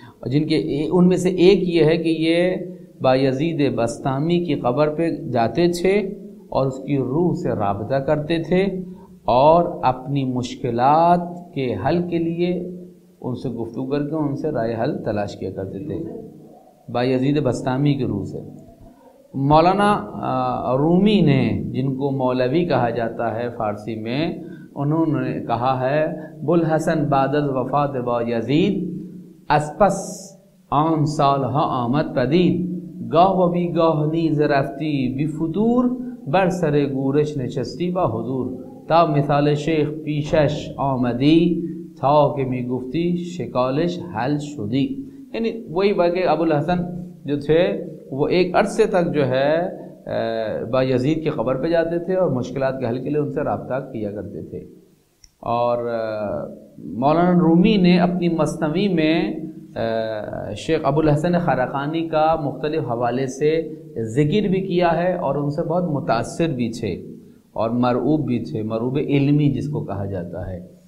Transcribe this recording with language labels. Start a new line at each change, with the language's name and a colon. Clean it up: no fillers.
Urdu: جن کے ان میں سے ایک یہ ہے کہ یہ بایزید بستامی کی قبر پہ جاتے تھے اور اس کی روح سے رابطہ کرتے تھے اور اپنی مشکلات کے حل کے لیے ان سے گفتگو کر کے ان سے رائے حل تلاش کیا کرتے تھے. بایزید بستامی کی روح سے. مولانا رومی نے, جن کو مولوی کہا جاتا ہے فارسی میں, انہوں نے کہا ہے
Persian: بوالحسن بعد از وفات بایزید از پس آن سالها آمد پدید گاه و بی گاه نیز رفتی بی فطور بر سر گورش نشستی با حضور تا مثال شیخ پیشش آمدی تا که می گفتی شکالش حل شدی.
Urdu: یعنی وہی بات کہ ابو الحسن جو تھے وہ ایک عرصے تک جو ہے بایزید کی قبر پہ جاتے تھے اور مشکلات کے حل کے لیے ان سے رابطہ کیا کرتے تھے. اور مولانا رومی نے اپنی مثنوی میں شیخ ابو الحسن خراقانی کا مختلف حوالے سے ذکر بھی کیا ہے اور ان سے بہت متاثر بھی تھے اور مرعوب بھی تھے, مرعوب علمی جس کو کہا جاتا ہے.